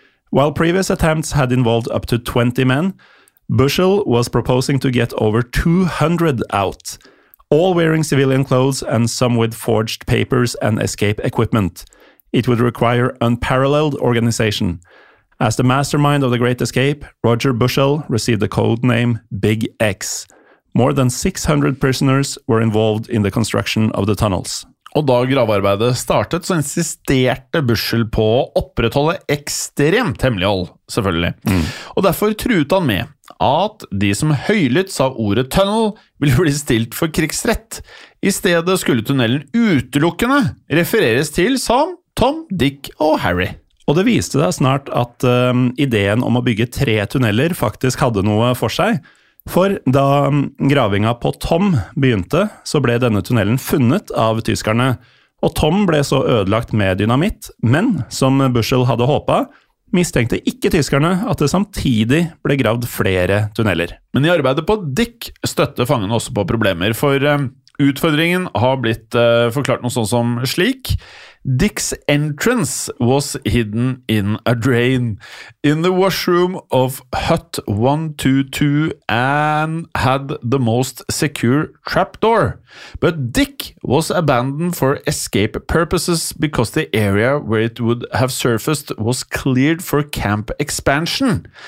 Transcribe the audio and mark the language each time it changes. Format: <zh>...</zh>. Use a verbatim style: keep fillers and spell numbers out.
<en>While previous attempts had involved up to twenty men, Bushel was proposing to get over two hundred out, all wearing civilian clothes and some with forged papers and escape equipment. It would require unparalleled organization. As the mastermind of the Great Escape, Roger Bushel received the code name Big X. More than six hundred prisoners were involved in the construction of the tunnels.</en> <no>Og da gravearbeidet startet, så insisterte Bushel på å opprettholde ekstremt hemmelighold, selvfølgelig. Mm. Og derfor truet han med at de som høylytt sa ordet tunnel ville bli stilt for krigsrett. I stedet skulle tunnelen utelukkende refereres til som Tom, Dick og Harry. Og det viste seg snart at um, ideen om å bygge tre tunneler faktisk hadde noe for seg. For da gravinga på Tom begynte, så ble denne tunnelen funnet av tyskerne. Og Tom ble så ødelagt med dynamitt, men som Bushel hadde håpet, mistenkte ikke tyskerne at det samtidig ble gravd flere tunneler. Men i arbeidet på Dick støtte fangene også på problemer, for utfordringen har blitt forklart noe sånn som slik.</no> <en>Dick's entrance was hidden in a drain in the washroom of hut one twenty-two and had the most secure trapdoor. But Dick was abandoned for escape purposes because the area where it would have surfaced was cleared for camp expansion.</en>